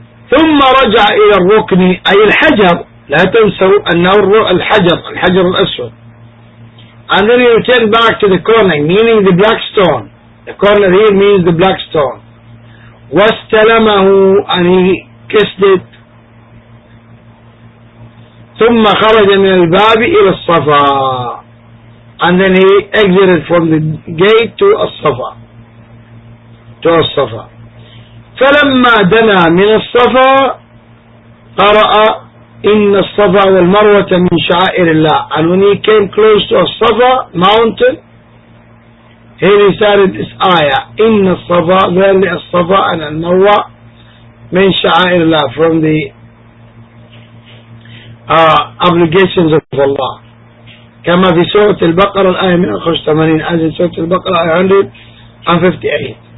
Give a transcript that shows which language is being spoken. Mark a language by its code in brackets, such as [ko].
[ar] ثم رجع إلى الركن أي الحجر, لا تنسوا أنه الحجر الأسود. [en] And then you turn back to the corner, meaning the black stone. The corner here means the black stone. [ar] واستلمه, [en] and he kissed it. [ar] ثم خرج من الباب إلى الصفا. [en] And then he exited from the gate to الصفا. To الصفا. [ar] فلما دنا من الصفا قرأ إن الصفا والمروة من شعائر الله. [en] And when he came close to a Safa mountain, he recited this ayah, [ar] إن الصفا, [en] verily a Safa and a Marwa [ar] من شعائر الله, [en] from the obligations of Allah. [ar] كما في سورة البقرة الآية 185, [en] as in [ar] سورة البقرة 158.